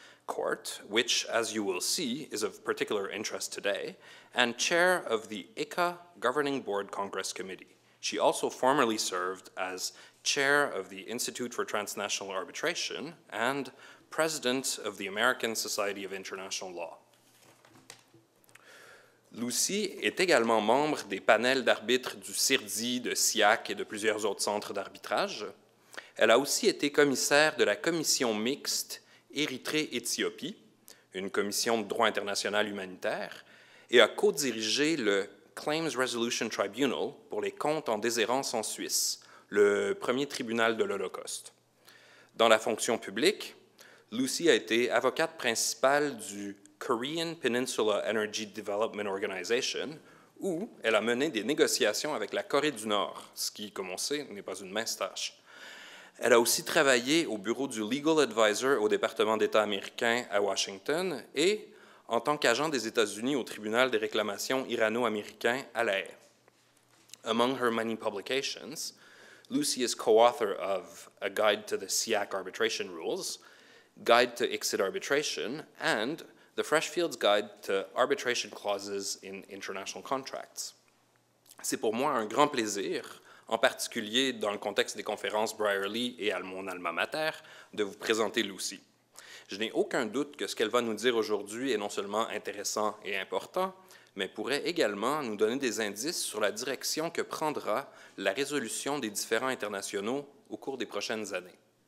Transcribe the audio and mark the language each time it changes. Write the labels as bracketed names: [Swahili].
[English] Court, which, as you will see, is of particular interest today, and chair of the ICA Governing Board Congress Committee. She also formerly served as chair of the Institute for Transnational Arbitration and president of the American Society of International Law. [French] Lucie est également membre des panels d'arbitres du CIRDI, de SIAC et de plusieurs autres centres d'arbitrage. Elle a aussi été commissaire de la commission mixte Érythrée-Éthiopie, une commission de droit international humanitaire, et a co-dirigé le Claims Resolution Tribunal pour les comptes en déshérence en Suisse, le premier tribunal de l'Holocauste. Dans la fonction publique, Lucie a été avocate principale du Korean Peninsula Energy Development Organization, où elle a mené des négociations avec la Corée du Nord, ce qui, comme on sait, n'est pas une mince tâche. Elle a aussi travaillé au bureau du Legal Advisor au département d'État américain à Washington et en tant qu'agent des États-Unis au tribunal des réclamations irano-américain à La Haye. [English] Among her many publications, Lucie is co-author of A Guide to the SIAC Arbitration Rules, Guide to ICSID Arbitration, and The Freshfields Guide to Arbitration Clauses in International Contracts. [French] C'est pour moi un grand plaisir, en particulier dans le contexte des conférences Brierley et à mon alma mater, de vous présenter Lucie. Je n'ai aucun doute que ce qu'elle va nous dire aujourd'hui est non seulement intéressant et important, mais pourrait également nous donner des indices sur la direction que prendra la résolution des différends internationaux au cours des prochaines années.